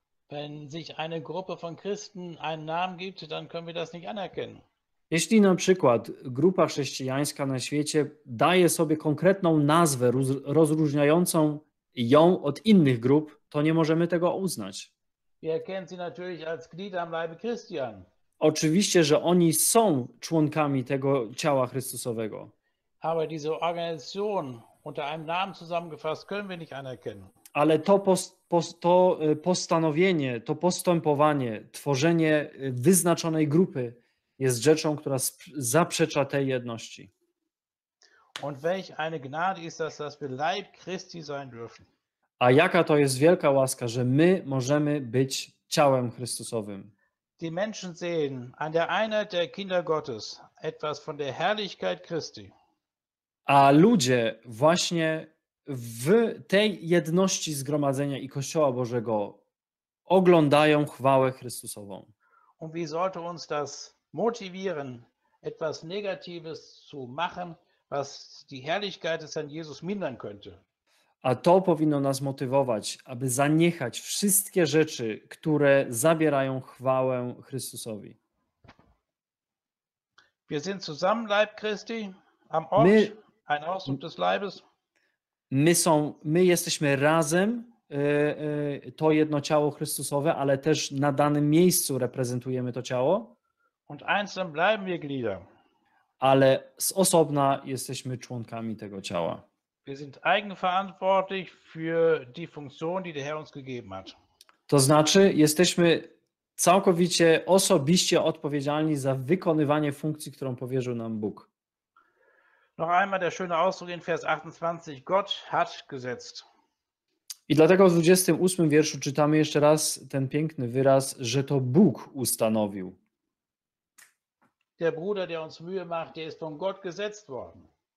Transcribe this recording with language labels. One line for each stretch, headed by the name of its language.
German: Wenn sich eine Gruppe von Christen einen Namen gibt, dann können wir das nicht anerkennen.
Polish: Jeśli na przykład grupa chrześcijańska na świecie daje sobie konkretną nazwę rozróżniającą ją od innych grup, to nie możemy tego uznać.
German: Wir erkennen sie natürlich als Glied am Leibe Christi an.
Polish: Oczywiście, że oni są członkami tego ciała Chrystusowego.
German: Aber diese Organisation unter einem Namen zusammengefasst können wir nicht anerkennen.
Polish: Ale to, to postanowienie, to postępowanie, tworzenie wyznaczonej grupy jest rzeczą, która zaprzecza tej jedności.
German: Und welch eine Gnade ist das, dass wir Leib Christi sein dürfen.
Polish: A jaka to jest wielka łaska, że my możemy być ciałem Chrystusowym.
German: Die Menschen sehen an der Einheit der Kinder Gottes etwas von der Herrlichkeit Christi.
Polish: A ludzie właśnie w tej jedności zgromadzenia i Kościoła Bożego oglądają chwałę Chrystusową.
German: Und wie sollte uns das motivieren, etwas Negatives zu machen, was die Herrlichkeit des Herrn Jesus mindern könnte?
Polish: A to powinno nas motywować, aby zaniechać wszystkie rzeczy, które zabierają chwałę Chrystusowi.
German: Wir sind zusammen Leib Christi am Ort, my, ein Ausdruck des Leibes.
Polish: My jesteśmy razem, to jedno ciało Chrystusowe, ale też na danym miejscu reprezentujemy to ciało.
German: Und einzeln bleiben wir Glieder.
Polish: Ale z osobna jesteśmy członkami tego ciała.
German: Wir sind eigenverantwortlich für die Funktion, die der Herr uns gegeben hat.
Polish: To znaczy, jesteśmy całkowicie osobiście odpowiedzialni za wykonywanie funkcji, którą powierzył nam Bóg.
German: Noch einmal der schöne Ausdruck in Vers 28. Gott hat gesetzt.
Polish: I dlatego w 28. wierszu czytamy jeszcze raz ten piękny wyraz, że to Bóg ustanowił.
German: Der Bruder, der uns Mühe macht, der ist von Gott gesetzt worden.